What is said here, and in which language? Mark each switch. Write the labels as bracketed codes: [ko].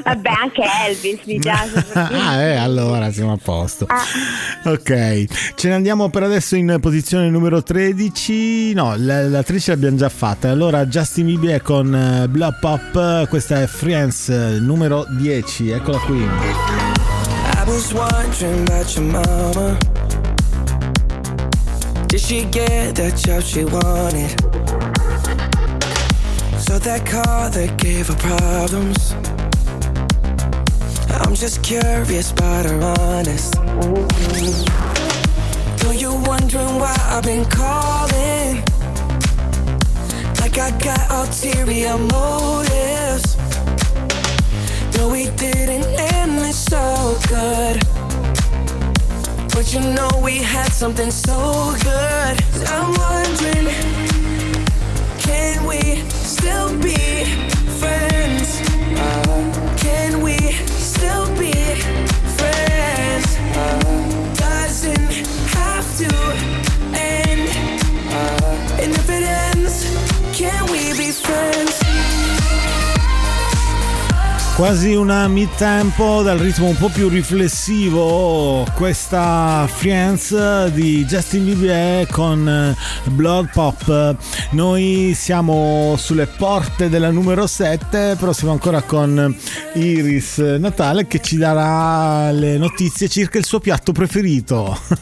[it] Vabbè, anche Elvis mi piace. Allora siamo a posto. Ok, ce ne andiamo per adesso in posizione numero 13. No, la 13 l'abbiamo già fatta. Allora, Justin Bieber con Blow Pop, questa è Friends numero 10, eccola qui. [en] I was wondering about your mama. Did she get that job she wanted? So that car that gave her problems, I'm just curious about her honest. Though you're wondering why I've been calling, like I got ulterior motives. No, we didn't end it so good, but you know we had something so good. I'm wondering, can we still be friends? Can we still be friends? Doesn't have to end, and if it ends, can we be friends? [it] Quasi una mid-tempo dal ritmo un po' più riflessivo, questa Friends di Justin Bieber con Blood Pop. Noi siamo sulle porte della numero 7, però siamo ancora con Iris Natale che ci darà le notizie circa il suo piatto preferito.